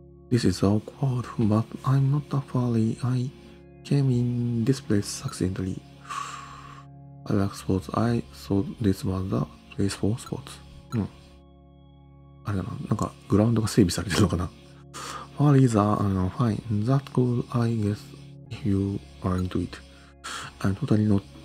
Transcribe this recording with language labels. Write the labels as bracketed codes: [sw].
[en] This is awkward, but I'm not a fairy. I came in this place accidentally. I like sports. I thought this was the place for sports. [ja] あれだな、なんかグラウンドが整備されてるのかな。ファーリーザー、fine. [en] That could, I guess, if you are into it. I'm totally not